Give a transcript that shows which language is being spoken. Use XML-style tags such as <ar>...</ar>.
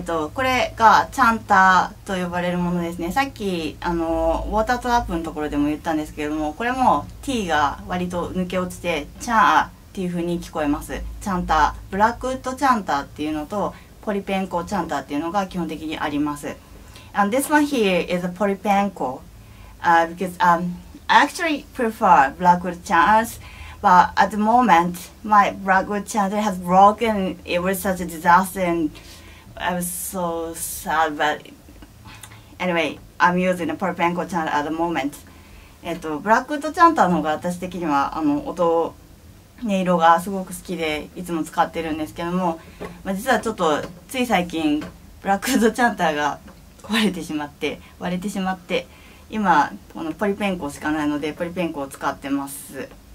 <ja>これがチャンターと呼ばれるものですね。さっきウォータートラップのところでも言ったんですけども、これも T が割と抜け落ちてチャンターっていう風に聞こえます。チャンター、ブラックウッドチャンターっていうのと、ポリペンコチャンターっていうのが基本的にあります。</ja> <en>And this one here is a polypenko because I actually prefer black wood chanters, but at the moment my black wood chanter has broken. It was such a disaster and I was so sad, but anyway, I'm using a polypenko chanter at the moment。</en> <ja>ブラックウッドチャンターの方が私的には音を、音色がすごく好きでいつも使ってるんですけども、まあ、実はちょっとつい最近ブラックウッドチャンターが壊れてしまって、割れてしまって、今このポリペンコしかないのでポリペンコを使ってます。</ja>